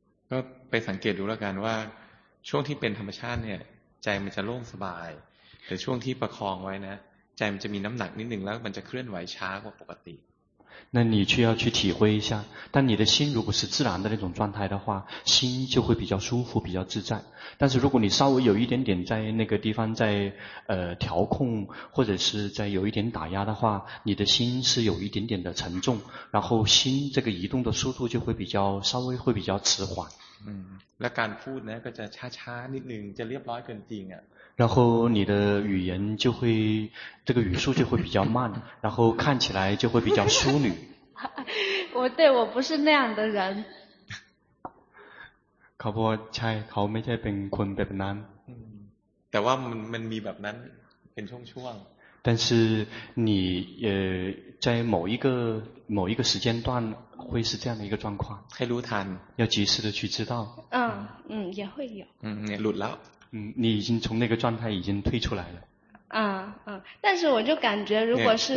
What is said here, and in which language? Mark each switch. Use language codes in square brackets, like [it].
[th] ก็ไปสังเกตดูแล้วกันว่าช่วงที่เป็นธรรมชาติเนี่ยใจมันจะโล่งสบายแต่ช่วงที่ประคองไว้นะใจมันจะมีน้ำหนักนิดหนึ่งแล้วมันจะเคลื่อนไหวช้ากว่าปกติ [zh] 那你需要去体会一下但你的心如果是自然的那种状态的话心就会比较舒服比较自在但是如果你稍微有一点点在那个地方在调控或者是在有一点打压的话你的心是有一点点的沉重然后心这个移动的速度就会比较稍微会比较迟缓 [th] 那การพูดนะก็จะช้าช้านิดนึงจะเรียบร้อยเกินจริงอ่ะ [zh] 然后你的语言就会这个语速就会比较慢然后看起来就会比较淑女我不是那样的人 [th] เขาบอกใช่เขาไม่ใช่เป็นคนแบบนั้น แต่ว่ามันมีแบบนั้นเป็นช่วงช่วง [zh] 但是你在某一个时间段会是这样的一个状况。 [th] ให้รู้ทัน [zh] 要及时的去知道。嗯，也会有。 [th] 嗯， [zh] 你 [th] หลุดแล้ว。 [zh] 嗯，你已经从那个状态已经退出来了。啊嗯，但是我就感觉如果是。